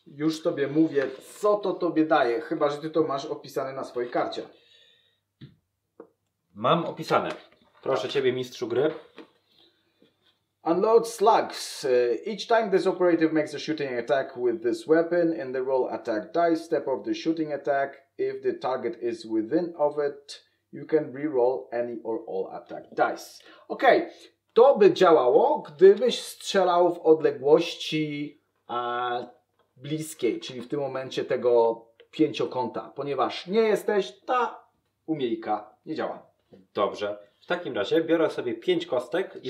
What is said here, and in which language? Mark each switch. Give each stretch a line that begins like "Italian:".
Polish: Już tobie mówię, co to tobie daje, chyba że ty to masz opisane na swojej karcie. Mam opisane. Proszę ciebie, mistrzu gry.
English: Unload slugs. Each time this operative makes a shooting attack with this weapon in the roll attack die step of the shooting attack, if the target is within of it, you can re-roll any or all attack dice.
Polish: Okej, okay. To by działało, gdybyś strzelał w odległości bliskiej, czyli w tym momencie tego pięciokąta, ponieważ nie jesteś, ta umiejka nie działa. Dobrze. W takim razie biorę sobie 5 kostek i